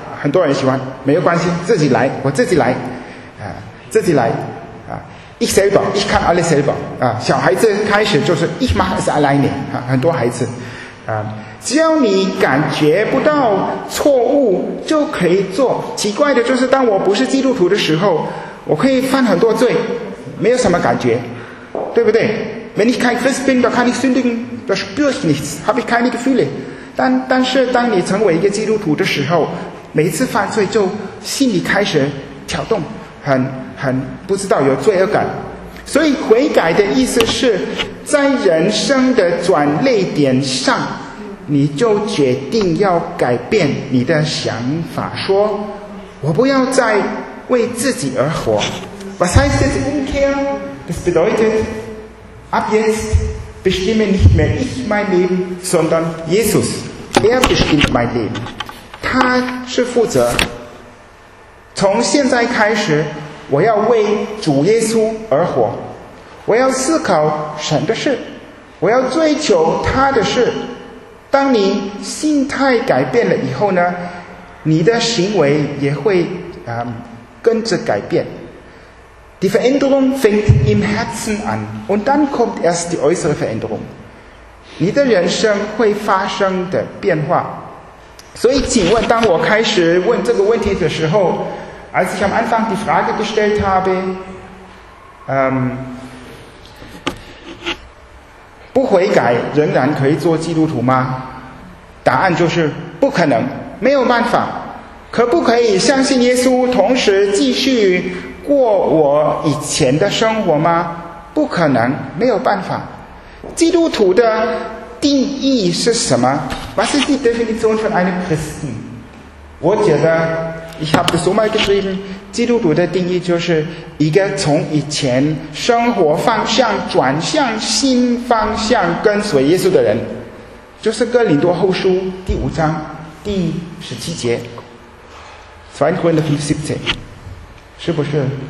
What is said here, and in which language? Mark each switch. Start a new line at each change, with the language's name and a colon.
Chinese: 很多人喜欢，没有关系，自己来，我自己来，自己来，
German: ich selber, ich kann alles selber,
Chinese: 小孩子开始就是
German: ich mache es alleine,
Chinese: 很多孩子，只要你感觉不到错误就可以做。奇怪的就是当我不是基督徒的时候，我可以犯很多罪，没有什么感觉，对不对？
German: Wenn ich kein Christ bin, da kann ich sündigen, da spüre ich nichts, habe ich keine Gefühle.
Chinese: 但是当你成为一个基督徒的时候，每次犯罪就心里开始挑动，很不知道有罪恶感。所以悔改的意思是在人生的转捩点上，你就决定要改变你的想法，说我不要再为自己而活。
German: Was heißt das Umkehr? Das bedeutet ab jetzt bestimme nicht mehr ich mein Leben, sondern Jesus. Er bestimmt mein Leben.
Chinese: 他是负责，从现在开始我要为主耶稣而活，我要思考神的事，我要追求他的事。当你心态改变了以后呢，你的行为也会跟着改变。
German: Die Veränderung fängt im Herzen an und dann kommt erst die äußere Veränderung.
Chinese: 你的人生会发生的变化。所以请问，当我开始问这个问题的时候，
German: als ich am Anfang die Frage gestellt habe,
Chinese: 不悔改仍然可以做基督徒吗？答案就是不可能，没有办法。可不可以相信耶稣，同时继续过我以前的生活吗？不可能，没有办法。基督徒的定义是什么？
German: Was ist die Definition von einem Christen？
Chinese: 我觉得
German: ，Ich habe das so mal geschrieben。
Chinese: 基督徒的定义就是一个从以前生活方向转向新方向跟随耶稣的人，就是哥林多后书第五章第十七节。 2 Korinther 5, 17，是不是？